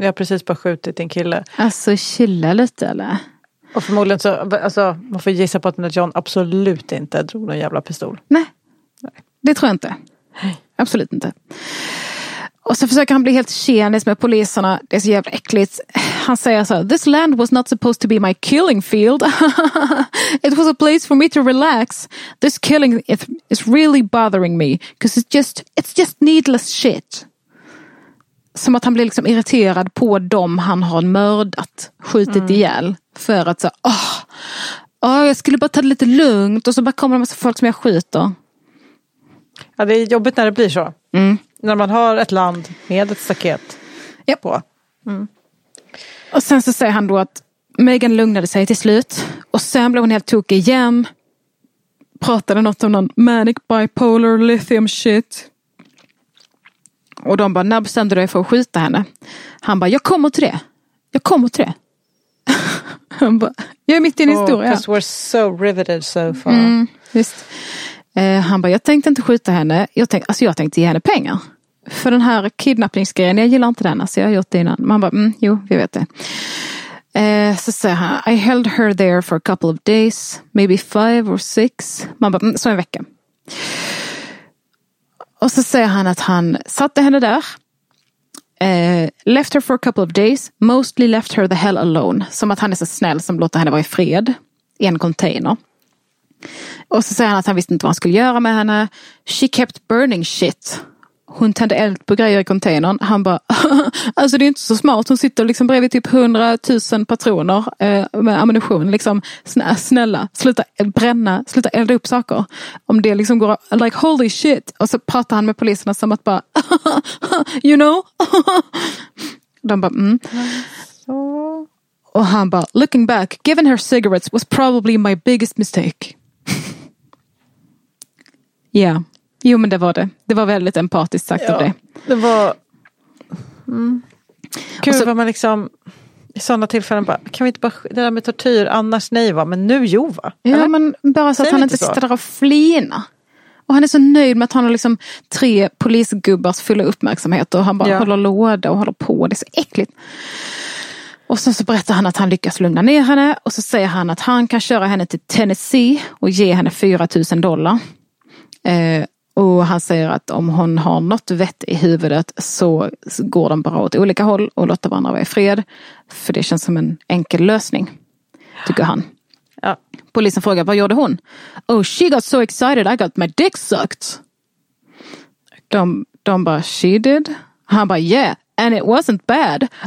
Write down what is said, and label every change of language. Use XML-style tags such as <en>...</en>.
<sv>Jag har precis bara skjutit din kille. Alltså, chilla lite, eller? Och förmodligen så, alltså, man får gissa på att John absolut inte drog någon jävla pistol. Nej, det tror jag inte. Nej. Absolut inte. Och så försöker han bli helt tjenis med poliserna. Det är så jävla äckligt.</sv> <en>Han säger så, this land was not supposed to be my killing field. It was a place for me to relax. This killing is really bothering me. Because it's just needless shit.</en> <sv>Som att han blir liksom irriterad på dem han har mördat, skjutit ihjäl. För att säga, jag skulle bara ta det lite lugnt. Och så bara kommer en massa folk som jag skjuter. Ja, det är jobbigt när det blir så. Mm. När man har ett land med ett staket på. Mm. Och sen så säger han då att Megan lugnade sig till slut. Och sen blev hon helt tokig igen. Pratade något om någon</sv> <en>manic bipolar lithium shit.</en> <sv>Och de bara, när bestämde du dig för att skjuta henne? Han bara, jag kommer till det. Han bara, jag är mitt i en historia.</sv> <en>Because we're so riveted so far.</en> <sv>Mm, visst. Han bara, jag tänkte inte skjuta henne. Jag tänkte ge henne pengar. För den här kidnappningsgrejen, jag gillar inte den. Alltså jag har gjort det innan. Men han bara, jo, vi vet det. Så säger han,</sv> <en>I held her there for a couple of days. Maybe 5 or 6.</en> <sv>Man bara, så en vecka. Och så säger han att han satte henne där.</sv> <en>Left her for a couple of days. Mostly left her the hell alone.</en> <sv>Som att han är så snäll som låter henne vara i fred. I en container. Och så säger han att han visste inte vad han skulle göra med henne.</sv> <en>She kept burning shit.</en> <sv>Hon tände eld på grejer i containern. Han bara, alltså det är inte så smart. Hon sitter liksom bredvid typ 100 000 patroner med ammunition. Liksom, snälla, sluta bränna, sluta elda upp saker. Om det liksom går,</sv> <en>like holy shit.</en> <sv>Och så pratar han med poliserna som att bara,</sv> <en>you know?</en> <sv>De bara, Och han bara,</sv> <en>looking back, giving her cigarettes was probably my biggest mistake.</en> <sv>Ja, jo men det var det. Det var väldigt empatiskt sagt av det. Det var... Mm. Kul så... vad man liksom... I sådana tillfällen bara, kan vi inte bara... Det där med tortyr, annars nej va, men nu jo va? Ja, eller? Men bara så säg att han inte sitter där och flinar. Och han är så nöjd med att han har liksom tre polisgubbars fulla uppmärksamhet. Och han bara håller låda och håller på. Det är så äckligt. Och sen så berättar han att han lyckas lugna ner henne. Och så säger han att han kan köra henne till Tennessee och ge henne $4,000. Och han säger att om hon har något vett i huvudet så går de bara åt olika håll och låter varandra vara i fred. För det känns som en enkel lösning, tycker han. Ja. Polisen frågar, vad gjorde hon?</sv> <en>Oh, she got so excited, I got my dick sucked.</en> <sv>De bara,</sv> <en>she did?</en> <sv>Han bara,</sv> <en>yeah, and it wasn't bad.</en>